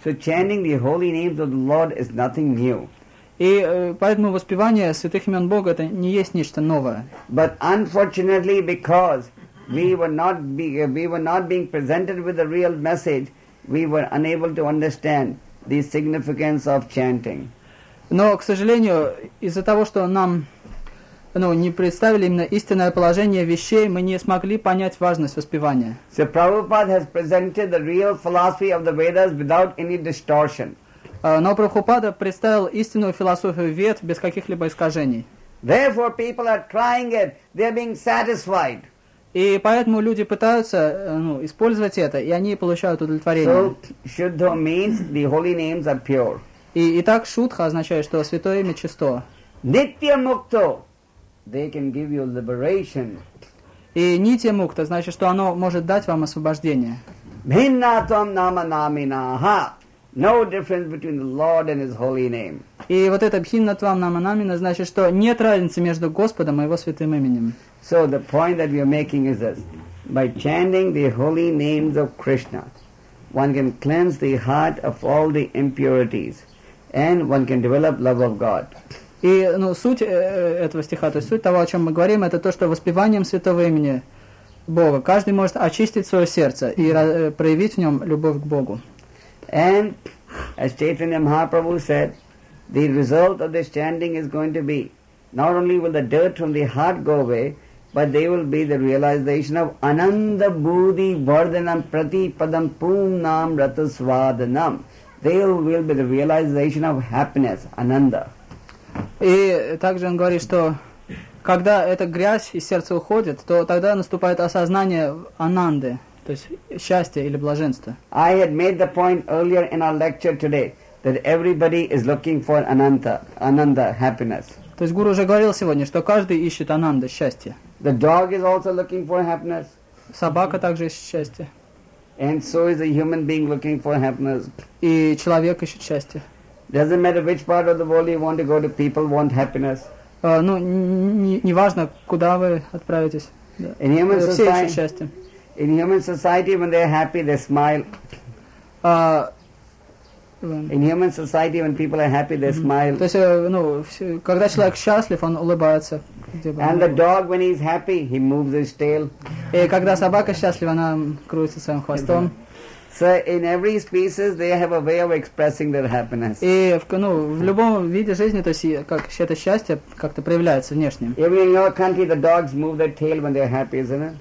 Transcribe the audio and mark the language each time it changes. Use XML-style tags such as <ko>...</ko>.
<en>So chanting the holy names of the Lord is nothing new.</en> <ru>И поэтому воспевание святых имен Бога это не есть нечто новое.</ru> <en>But unfortunately because We were not being presented with the real message. We were unable to understand the significance of chanting.</en> <ru>Но, к сожалению, из-за того, что нам, ну, не представили именно истинное положение вещей, мы не смогли понять важность воспевания.</ru> <en>So Prabhupada has presented the real philosophy of the Vedas without any distortion.</en> <ru>Но Прабхупада представил истинную философию Вед без каких-либо искажений.</ru> <en>Therefore, people are trying it. They are being satisfied.</en> <ru>И поэтому люди пытаются ну, использовать это, и они получают удовлетворение.</ru> <en>So, shuddho means the holy names are pure.</en> <ru>Итак, шудха означает, что святое имя чисто.</ru> <sa>Nitya mukto,</sa> <en>they can give you liberation.</en> <ru>И</ru> <sa>nitya mukto</sa> <ru>значит, что оно может дать вам освобождение.</ru> <sa>Bhinnatvam nama naminaha,</sa> <en>no difference between the Lord and His holy name.</en> <ru>И вот это</ru> <sa>bhinnatvam nama namina</sa> <ru>значит, что нет разницы между Господом и Его святым именем.</ru> <en>So the point that we are making is this: by chanting the holy names of Krishna, one can cleanse the heart of all the impurities, and one can develop love of God.</en> <ru>И, ну, суть этого стиха, то есть суть того, о чем мы говорим, это то, что воспеванием святого имени Бога каждый может очистить свое сердце и проявить в нем любовь к Богу.</ru> <en>And as Chaitanya Mahaprabhu said, the result of this chanting is going to be not only will the dirt from the heart go away, but they will be the realization of</en> <sa>Ananda Bhudi Vardhanam Pratipadam Purnam Ratasvadhanam.</sa> <en>They will be the realization of happiness, Ananda.</en> <ru>И также он говорит, что когда эта грязь из сердца уходит, то тогда наступает осознание Ананды, то есть счастья или блаженства.</ru> <en>I had made the point earlier in our lecture today that everybody is looking for Ananda, Ananda, happiness.</en> <ru>То есть гуру уже говорил сегодня, что каждый ищет Ананды, счастье.</ru> <en>The dog is also looking for happiness.</en> <ru>Собака также ищет счастье.</ru> <en>And so is a human being looking for happiness.</en> <ru>И человек ищет счастье.</ru> <en>Doesn't matter which part of the world you want to go to, people want happiness.</en> <ru>Ну, не важно, куда вы отправитесь.</ru> <en>In human</en> <ru>все ищут счастье.</ru> <en>In human society, when they're happy, they smile. In human society, when people are happy, they smile.</en> <ru>То есть, ну, когда человек счастлив, он улыбается.</ru> <en>And the dog, when he's happy, he moves his tail.</en> <ru>И когда собака счастлива, она крутится своим хвостом.</ru> <en>So in every species they have a way of expressing their happiness.</en> <ru>И в, ну, в любом виде жизни, то есть как это счастье как-то проявляется внешне.</ru> <en>Even in your country the dogs move their tail when they're happy, isn't it?</en>